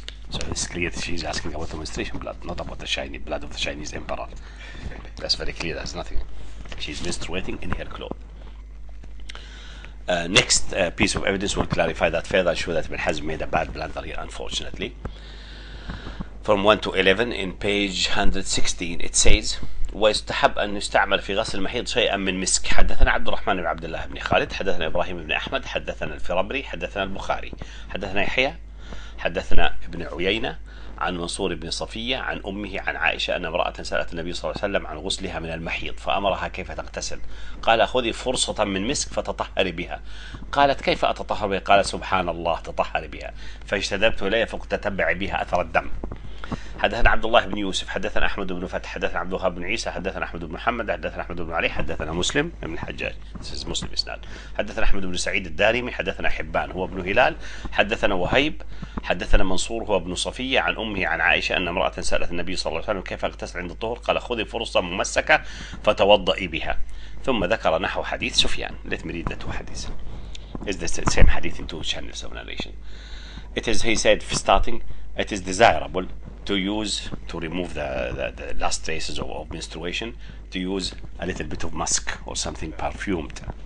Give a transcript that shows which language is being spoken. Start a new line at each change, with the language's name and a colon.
English: So it's clear that she's asking about the menstruation blood, not about the shiny blood of the Chinese emperor. That's very clear, that's nothing. She's menstruating in her clothes. Next piece of evidence will clarify that further, show that Ibn Hazm made a bad blunder here, unfortunately. From 1 to 11 in page 116, it says,
Arabic: ويستحب أن يستعمل في غسل المحيض شيئا من مسك حدثنا عبد الرحمن بن عبد الله بن خالد حدثنا إبراهيم بن أحمد حدثنا الفرابري حدثنا البخاري حدثنا يحيى حدثنا ابن عيينة عن منصور بن صفية عن أمه عن عائشة أن امرأة سألت النبي صلى الله عليه وسلم عن غسلها من المحيض فأمرها كيف تغتسل قال خذي فرصة من مسك فتطهري بها قالت كيف أتطهر بها قال سبحان الله تطهري بها فاجتذبت إليها فقلت تتبعي بها أثر الدم حدثنا عبد الله بن يوسف، حدثنا احمد بن فتح، حدثنا عبد الوهاب بن عيسى، حدثنا احمد بن محمد، حدثنا احمد بن علي، حدثنا مسلم بن الحجاج، مسلم اسناد، حدثنا احمد بن سعيد الدارمي، حدثنا حبان هو ابن هلال، حدثنا وهيب، حدثنا منصور هو ابن صفيه عن امه عن عائشه ان امراه سالت النبي صلى الله عليه وسلم كيف اغتسل عند الطهر؟ قال خذي فرصه ممسكه فتوضئي بها. ثم ذكر نحو حديث سفيان.
English: Let me read that حديث. Is this the same hadith in two channels of narration? It is, he said, for starting, it is desirable to use, to remove the last traces of menstruation, to use a little bit of musk or something perfumed.